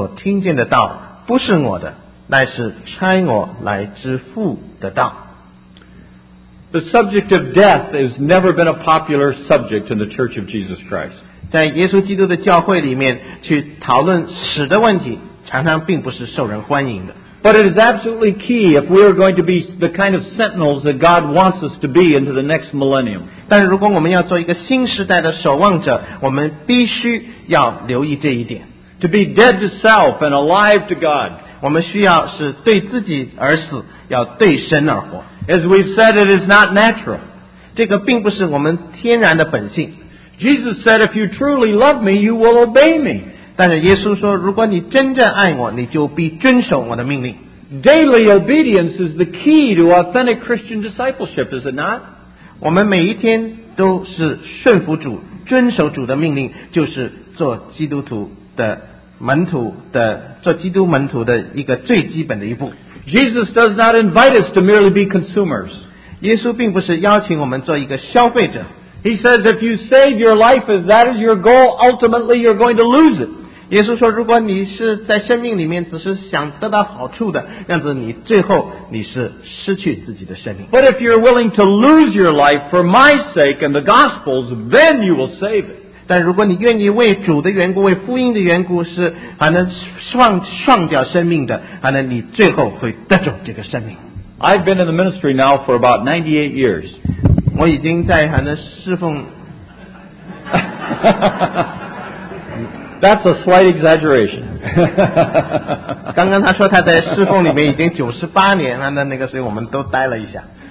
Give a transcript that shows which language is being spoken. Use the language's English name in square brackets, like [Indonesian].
[Chinese] 23-24节。耶稣回答说,人若爱我,就必遵守我的道,我父也必爱他,并且我们要到他哪里去,与他同住。不爱我的人,就不遵守我的道,你们所听见的道,不是我的。 [English] The subject of death has never been a popular subject in the Church of Jesus Christ. [Chinese] 在耶稣基督的教会里面去讨论死的问题，常常并不是受人欢迎的。 [English] But it is absolutely key if we are going to be the kind of sentinels that God wants us to be into the next millennium. [Chinese] 但是如果我们要做一个新时代的守望者，我们必须要留意这一点。 [English] To be dead to self and alive to God. [Chinese] 我们需要是对自己而死，要对神而活。 [English] As we've said, it is not natural. [Chinese] 这个并不是我们天然的本性。 [English] Jesus said, if you truly love me, you will obey me. [Chinese] 但是耶稣说，如果你真正爱我，你就必遵守我的命令。 [English] Daily obedience is the key to authentic Christian discipleship, is it not? [Chinese] 我们每一天都是顺服主，遵守主的命令，就是做基督徒的门徒的，做基督门徒的一个最基本的一步。 [English] Jesus does not invite us to merely be consumers. [Chinese] 耶稣并不是邀请我们做一个消费者。 [English] He says, if you save your life, if that is your goal, ultimately you're going to lose it. [Chinese] 耶稣说，如果你是在生命里面只是想得到好处的，这样子你最后你是失去自己的生命。 [English] But if you're willing to lose your life for my sake and the gospel's, then you will save it. [Chinese] 但如果你愿意为主的缘故，为福音的缘故，是还能放掉生命的，还能你最后会得着这个生命。 [English] I've been in the ministry now for about 98 years. [Chinese] 我已经在还能侍奉 [English] That's a slight exaggeration. [Chinese] 刚刚他说他在侍奉里面已经98年了，那个时候我们都呆了一下。